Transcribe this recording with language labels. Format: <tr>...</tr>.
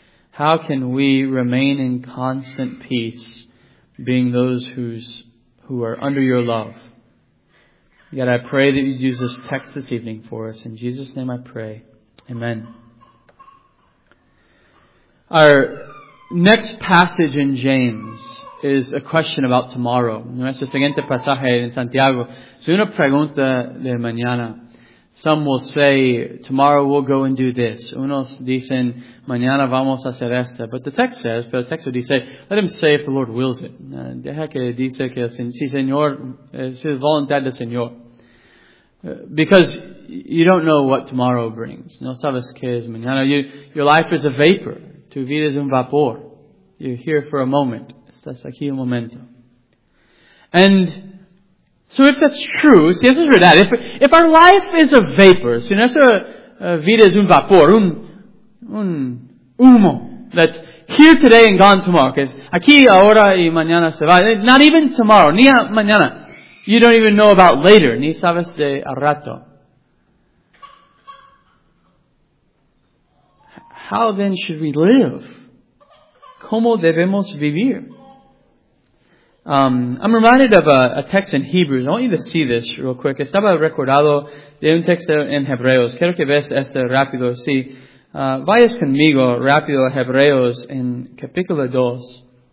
<en>How can we remain in constant peace being those who are under your love? God, I pray that you'd use this text this evening for us. In Jesus' name I pray. Amen. Our next passage in James is a question about tomorrow.</en> <es>Nuestro siguiente pasaje en Santiago es una pregunta de mañana.</es> <en>Some will say, tomorrow we'll go and do this.</en> <es>Unos dicen, mañana vamos a hacer esto.</es> <en>But the text says,</en> <es>pero el texto dice,</es> <en>let him say if the Lord wills it.</en> <es>Deja que dice que si Señor, si es voluntad del Señor.</es> <en>Because you don't know what tomorrow brings.</en> <es>No sabes qué es mañana.</es> <en>Your life is a vapor.</en> <es>Tu vida es un vapor.</es> <en>You're here for a moment.</en> <es>Estás aquí un momento.</es> <en>And so if that's true,</en> <es>si eso es verdad,</es> <en>if our life is a vapor,</en> <es>si nuestra vida es un vapor, un humo,</es> <en>that's here today and gone tomorrow,</en> <es>que es aquí, ahora y mañana se va,</es> <en>not even tomorrow,</en> <es>ni mañana,</es> <en>you don't even know about later,</en> <es>ni sabes de al rato.</es> <en>How then should we live?</en> <es>¿Cómo debemos vivir?</es> <en>I'm reminded of a text in Hebrews. I want you to see this real quick.</en> <es>Estaba recordado de un texto en Hebreos. Quiero que veas este rápido. Sí. Vayas conmigo rápido a Hebreos en capítulo 2.</es>